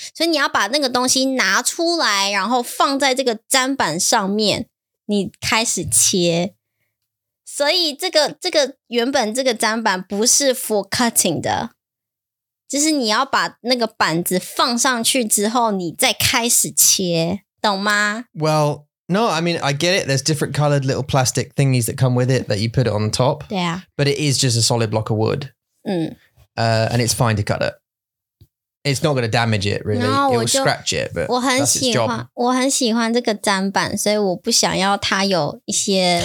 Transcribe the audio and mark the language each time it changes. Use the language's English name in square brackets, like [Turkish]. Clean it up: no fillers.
[Chinese] 所以你要把那个东西拿出来，然后放在这个砧板上面，你开始切。所以这个原本这个砧板不是 [English] for cutting [Chinese] 的。就是你要把那个板子放上去之后你再开始切懂吗 [English] Well, no, I mean, I get it. There's different colored little plastic thingies that come with it that you put it on top. Yeah. But it is just a solid block of wood. And it's fine to cut it. It's not going to damage it, really. No, it will scratch it, but that's its job. [Chinese] 我很喜欢这个砧板所以我不想要它有一些